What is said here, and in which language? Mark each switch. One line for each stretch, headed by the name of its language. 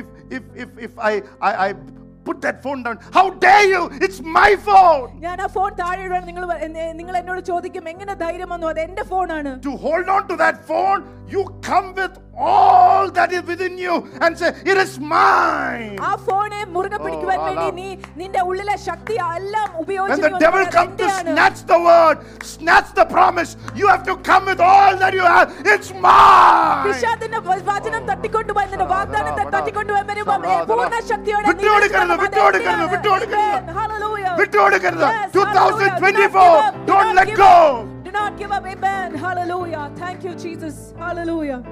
English: If I put that phone down, how dare you? It's my phone.
Malayalam: ഞാൻ ആ phone താഴെ ഇടാൻ നിങ്ങൾ എന്നോട് ചോദിക്കും, എങ്ങനെ ധൈര്യം വന്നു? അത് എന്റെ ഫോൺ ആണ്.
English: To hold on to that phone, you come with all that is within you and say, it is mine.
Malayalam: ആ ഫോണിനെ മുറുകെ പിടിക്കുവാൻ വേണ്ടി നീ നിന്റെ ഉള്ളിലെ ശക്തി എല്ലാം ഉപയോഗിച്ച്,
English: when the devil comes to snatch the word, snatch the promise, you have to come with all that you have. It's mine.
Malayalam: പിശാചിന്റെ വചനം തട്ടിക്കൊണ്ടു വാ, നിന്റെ വാഗ്ദാനം തട്ടിക്കൊണ്ടു വാ, പൂർണ്ണ ശക്തിയോടെ വിട്ടുകൊടുക്കരുത്, വിട്ടുകൊടുക്കരുത്, വിട്ടുകൊടുക്കരുത്, hallelujah, വിട്ടുകൊടുക്കരുത.
English: 2024, don't let go. Do not give up. Amen. Hallelujah. Thank you, Jesus. Hallelujah.